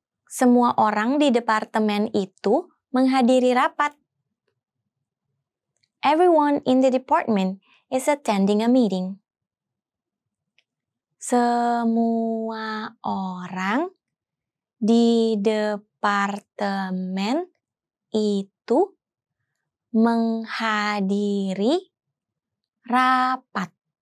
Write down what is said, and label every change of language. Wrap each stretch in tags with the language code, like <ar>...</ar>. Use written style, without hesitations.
<id>Semua orang di departemen itu menghadiri rapat.</id> <en>Everyone in the department is attending a meeting.</en> <id>Semua orang di departemen itu menghadiri rapat.</id>